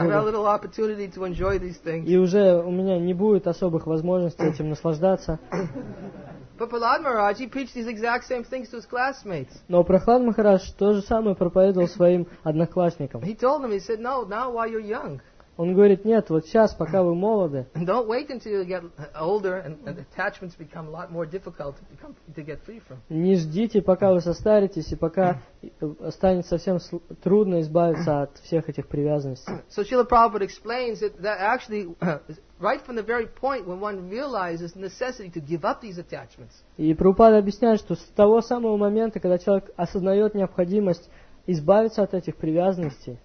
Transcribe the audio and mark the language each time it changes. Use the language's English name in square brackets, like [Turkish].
[English] I've had a little opportunity to enjoy these things. [Russian] И уже у меня не будет особых возможностей этим наслаждаться. [English] But Prahlad Maharaj, he preached these exact same things to his classmates. [Russian] Но Прохлад Махарадж то же самое проповедовал своим одноклассникам. [English] He told them, he said, no, now while you're young. [Russian] Он говорит, нет, вот сейчас, пока вы молоды. [English] Don't wait until you get older and attachments become a lot more difficult to get free from. [Russian] Не ждите, пока вы состаритесь, и пока станет совсем трудно избавиться от всех этих привязанностей. [English] So Srila Prabhupada explains that actually, right from the very point when one realizes the necessity to give up these attachments. [Russian] И Прабхупада объясняет, что с того самого момента, когда человек осознает необходимость избавиться от этих привязанностей.